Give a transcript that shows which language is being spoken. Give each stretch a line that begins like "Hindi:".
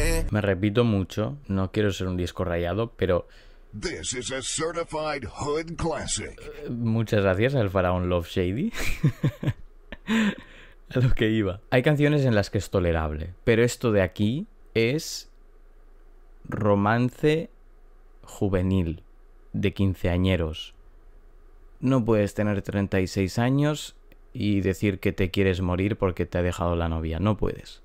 Spanish: Me repito mucho. No quiero ser un disco rayado, pero...
English: This is a certified hood classic.
Spanish: Muchas gracias al faraón Love Shady. A lo que iba. Hay canciones en las que es tolerable, pero esto de aquí es romance juvenil de quinceañeros. No puedes tener 36 años y decir que te quieres morir porque te ha dejado la novia. No puedes.